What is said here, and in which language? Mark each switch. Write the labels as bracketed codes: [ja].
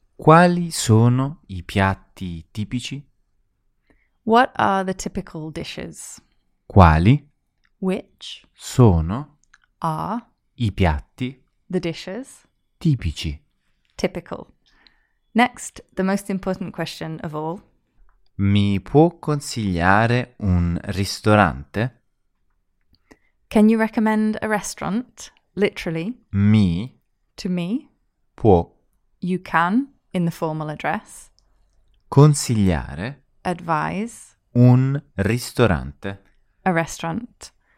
[it] Quali sono i piatti tipici? [en] What are the typical dishes? [it] Quali? [en] Which? [it] Sono? [en] Are? [it] I piatti? [en] The dishes? [it] Tipici. [en] Typical. Next, the most important question of all. [it] Mi può consigliare un ristorante? [en] Can you recommend a restaurant? Literally. [it] Mi. [en] To me. [it] Può. [en] You can. In the formal address. [it] Consigliare. [en] Advise. [it] Un ristorante. [en] A restaurant.